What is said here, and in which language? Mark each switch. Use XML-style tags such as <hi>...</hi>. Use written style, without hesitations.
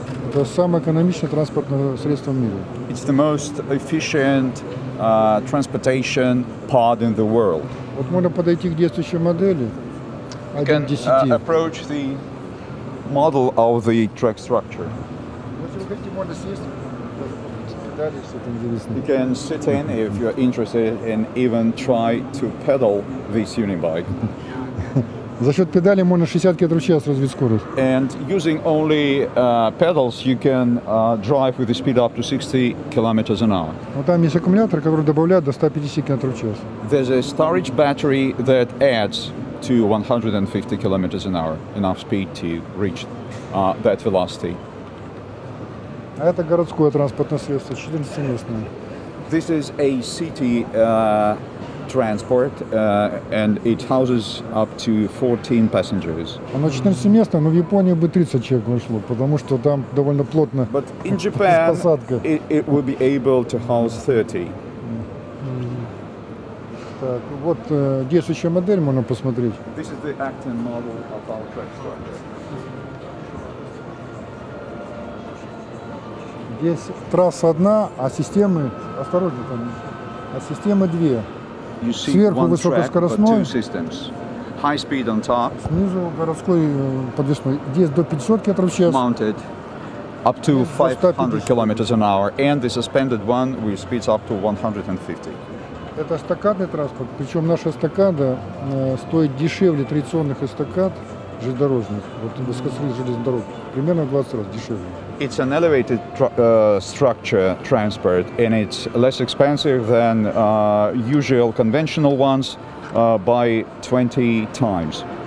<ru>Это самое экономичное транспортное средство в мире.</ru> <en>It's the most efficient transportation pod in the world.</en> <ru>Вот можно подойти к действующей модели.</ru> <en>Can approach the model of the track structure. You can sit in if you're interested and even try to pedal this unibike.</en> <ru>За счет педали можно 60 км в час развить скорость.</ru> <en>And using only pedals, you can drive with a speed up to 60 km an hour.</en> <ru>Вот там есть аккумулятор, который добавляет до 150 км в час.</ru> <en>There's a storage battery that adds to 150 km an hour, enough speed to reach that velocity.</en> <ru>А это городское транспортное средство, 14-местное.</ru> <en>This is a city transport, and it houses up to 14 passengers.</en> <ru>Оно 14-местное, но в Японии бы 30 человек вошло, потому что там довольно плотно.</ru> <en>But in Japan, it will be able to house 30.</en> <ru>Так, вот действующая модель можно посмотреть.</ru> <en>This is the acting model of our track structure.</en> <ru>Здесь трасса одна, а системы, осторожно там, а системы две. Сверху высокоскоростной,</ru> <en>high speed on top.</en> <ru>Снизу городской подвесной. Здесь до 500 км в час.</ru> <en>Mounted up to 500 km an hour, and the suspended one will speed up to 150.</en> <ru>Это эстакадный транспорт, причем наша эстакада стоит дешевле традиционных эстакад железнодорожных, вот высокоскоростных железнодорог, примерно в 20 раз дешевле.</ru> <en>It's an elevated structure transport, and it's less expensive than usual conventional ones by 20 times,</en>